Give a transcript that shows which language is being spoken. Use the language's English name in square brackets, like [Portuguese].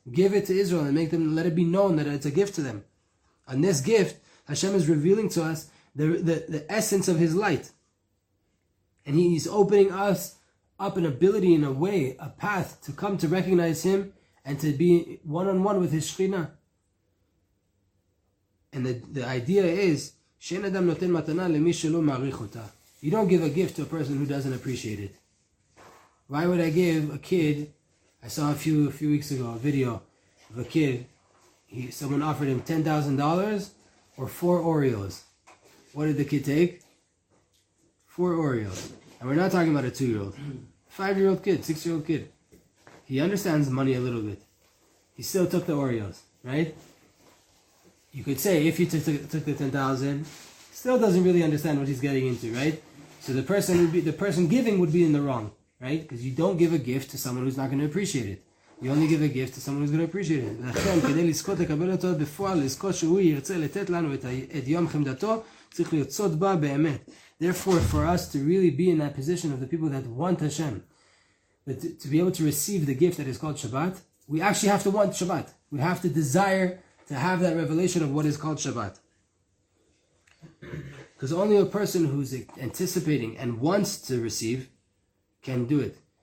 [English] Give it to Israel and make them, let it be known that it's a gift to them. And this gift, Hashem is revealing to us the essence of His light. And He's opening us up an ability, in a way, a path to come to recognize Him and to be one-on-one with His Shekhinah. And the idea is, [Hebrew] שאין אדם נותן מתנה למי שלא מעריך אותה. [English] You don't give a gift to a person who doesn't appreciate it. Why would I give a kid, I saw a few weeks ago, a video of a kid, someone offered him $10,000 or four Oreos. What did the kid take? four Oreos. And we're not talking about a two-year-old. Five-year-old kid, six-year-old kid. He understands money a little bit. He still took the Oreos, right? You could say, if he took the 10,000, still doesn't really understand what he's getting into, right? So the person giving would be in the wrong, right? Because you don't give a gift to someone who's not going to appreciate it. You only give a gift to someone who's going to appreciate it. [Hebrew] לכן, כדי לזכות לקבל אותו בפועל, לזכות שהוא ירצה לתת לנו את יום חמדתו, צריך לרצות בה באמת. [English] Therefore, for us to really be in that position of the people that want Hashem, that to be able to receive the gift that is called Shabbat, we actually have to want Shabbat. We have to desire to have that revelation of what is called Shabbat. Because only a person who's anticipating and wants to receive can do it.